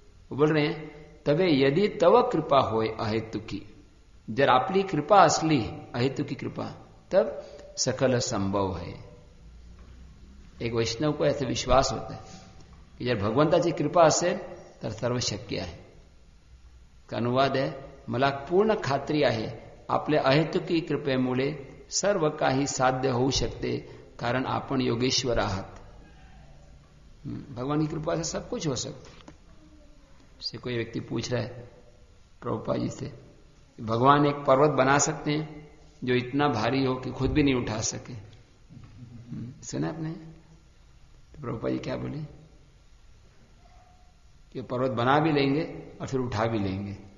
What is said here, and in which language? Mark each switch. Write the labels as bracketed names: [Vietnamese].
[Hindi] बोल रहे हैं [Bangla] तबे यदि तव कृपा होए अहेतुकी, [Marathi] जर आपली कृपा असली अहेतुकी कृपा, [Hindi] तब सकल संभव है। एक वैष्णव को ऐसे विश्वास होता है कि [Marathi] जर भगवंताची कृपा असेल तर सर्व शक्य [Hindi] है। अनुवाद है, [Marathi] मला पूर्ण खात्री आहे आपल्या अहेतुकी कृपेमुळे सर्व काही साध्य होऊ शकते, कारण आपण योगेश्वर आहात। [Hindi] भगवान की कृपा से सब कुछ हो सकता है। से कोई व्यक्ति पूछ रहा है प्रभुपाद जी से, भगवान एक पर्वत बना सकते हैं जो इतना भारी हो कि खुद भी नहीं उठा सके? सुना आपने? तो प्रभुपाद जी क्या बोले, कि पर्वत बना भी लेंगे और फिर उठा भी लेंगे।